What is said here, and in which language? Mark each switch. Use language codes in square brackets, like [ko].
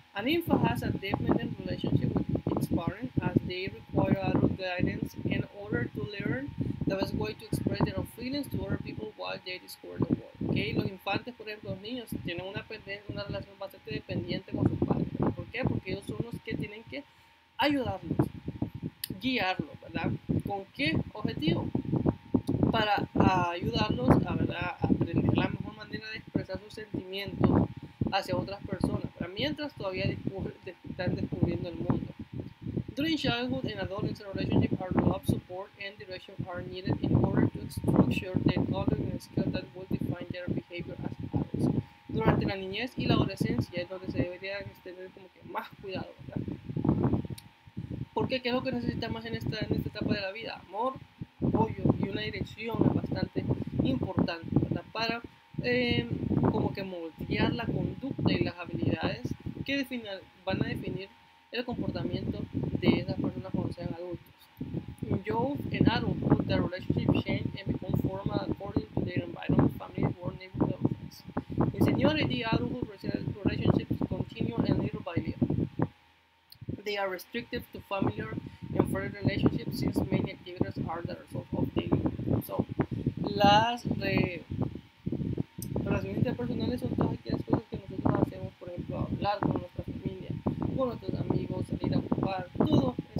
[en] An infant has a dependent relationship with its parent, as they require adult guidance in order to learn the best way to express their own feelings to other people while they discover the world. Okay? [es] Los infantes, por ejemplo, los niños, tienen una relación bastante dependiente con sus padres. ¿Por qué? Porque ellos son los que tienen que ayudarlos, guiarlos, ¿verdad? ¿Con qué objetivo? Para ayudarlos a, ¿verdad?, aprender la mejor manera de expresar sus sentimientos hacia otras personas, ¿verdad?, mientras todavía están descubriendo el mundo. [en] During childhood and adolescence, relationships are love, support, and direction are needed in order to structure the knowledge and skills that will define their behavior as adults. [es] Durante la niñez y la adolescencia es donde se debería tener como que más cuidado, ¿verdad? Porque ¿qué es lo que necesita más en esta etapa de la vida? Amor, apoyo y una dirección bastante importante, ¿verdad? Para como que moldear la conducta y las habilidades que van a definir el comportamiento de esas personas cuando sean adultos. [en] In youth and adulthood, the relationship change and become formal according to their environment, family, work, neighborhood, and friends. In seniority, adulthood relationships continue and little by little. They are restricted to familiar and friend relationships since many activities are the result of daily life. [es] So, las relaciones interpersonales son todas aquellas cosas que nosotros hacemos, por ejemplo, hablar con nuestra familia, con nuestros amigos, salir a jugar, todo.